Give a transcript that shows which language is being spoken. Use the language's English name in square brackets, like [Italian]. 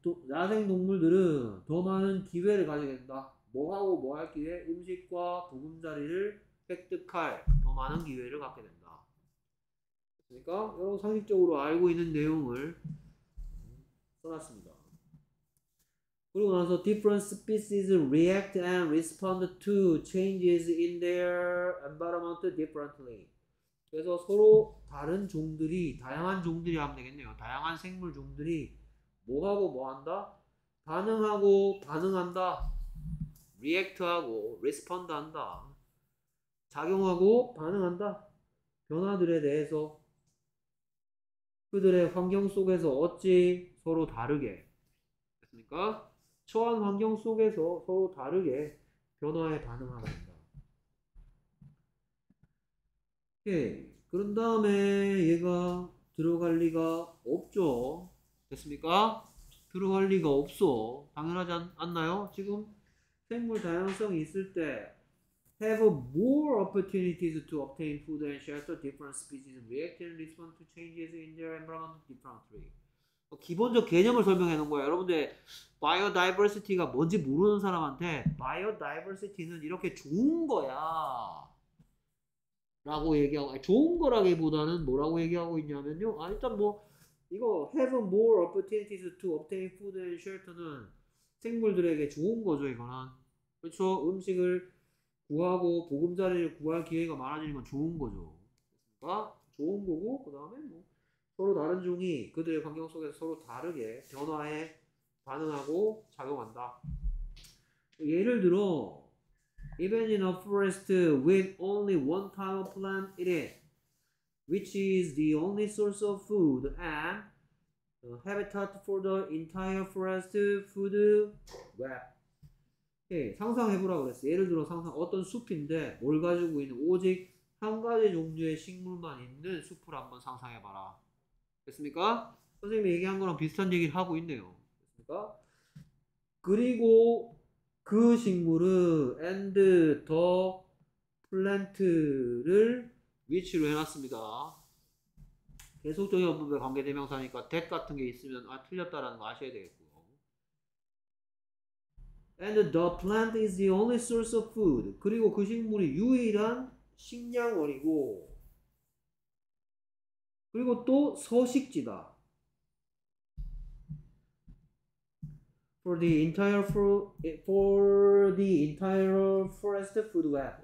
[Korean] 야생동물들은 더 많은 기회를 가지게 된다. 뭐하고 뭐할 기회, 음식과 보금자리를 획득할 더 많은 기회를 갖게 된다. 그러니까 여러분 상식적으로 알고 있는 내용을 써놨습니다. 그리고 나서 [English] different species react and respond to changes in their environment differently. [Korean] 그래서 서로 다른 종들이, 다양한 종들이 하면 되겠네요. 다양한 생물 종들이 뭐하고 뭐한다? 반응하고 반응한다. react하고 respond한다. 작용하고 반응한다. 변화들에 대해서 그들의 환경 속에서 어찌 서로 다르게 됐습니까? 처한 환경 속에서 서로 다르게 변화에 반응하고 있다. 그런 다음에 얘가 들어갈 리가 없죠. 됐습니까? 들어갈 리가 없어. 당연하지 않나요? 지금 생물 다양성이 있을 때 [English] have more opportunities to obtain food and shelter. Different species react and respond to changes in their environment differently. [Korean] 기본적 개념을 설명해 놓은 거예요. 여러분들 바이오다이버시티가 뭔지 모르는 사람한테 바이오다이버시티는 이렇게 좋은 거야 라고 얘기하고, 좋은 거라기보다는 뭐라고 얘기하고 있냐면요, 아 일단 뭐 이거 [English] have more opportunities to obtain food and shelter [Korean] 는 생물들에게 좋은 거죠. 이거는 그렇죠. 음식을 구하고 보금자리를 구할 기회가 많아지는 건 좋은 거죠. 그러니까 좋은 거고, 그 다음에 뭐 서로 다른 종이 그들의 환경 속에서 서로 다르게 변화에 반응하고 작용한다. 예를 들어 [English] Even in a forest with only one type of plant in it, which is the only source of food and habitat for the entire forest food web. [Korean] 예, 상상해보라고 그랬어. 예를 들어 상상 어떤 숲인데 뭘 가지고 있는 오직 한 가지 종류의 식물만 있는 숲을 한번 상상해봐라. 됐습니까? 선생님이 얘기한 거랑 비슷한 얘기를 하고 있네요. 됐습니까? 그리고 그 식물을 [English] and the plant [Korean] 를 which로 해놨습니다. 계속적인 문법의 관계 대명사니까 that 같은 게 있으면 아 틀렸다라는 거 아셔야 되겠고요. [English] And the plant is the only source of food. [Korean] 그리고 그 식물이 유일한 식량원이고 그리고 또 서식지다. [English] For the entire forest food web.